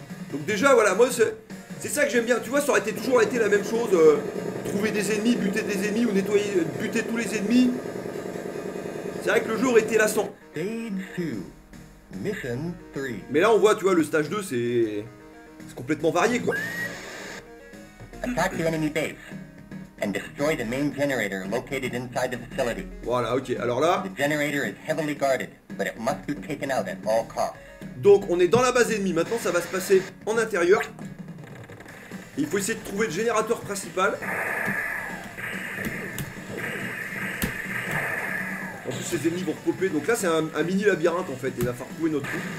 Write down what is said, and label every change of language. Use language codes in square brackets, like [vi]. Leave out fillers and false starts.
[fr] Donc déjà, voilà, moi, c'est ça que j'aime bien. Tu vois, ça aurait été, toujours été la même chose. Trouver des ennemis, buter des ennemis ou nettoyer, buter tous les ennemis. C'est vrai que le jeu aurait été lassant. [en] Stage 2. Mission 3. [fr] Mais là, on voit, tu vois, le stage 2, c'est... C'est complètement varié, quoi. [en] Attack the enemy base. And destroy the main generator located inside the facility. [fr] Voilà, ok, alors là... [en] The generator is heavily guarded, but it must be taken out at all costs. [fr] Donc, on est dans la base ennemie. Maintenant, ça va se passer en intérieur. Il faut essayer de trouver le générateur principal. En plus, les ennemis vont repopper. Donc là, c'est un mini labyrinthe, en fait. Il va falloir trouver notre coup.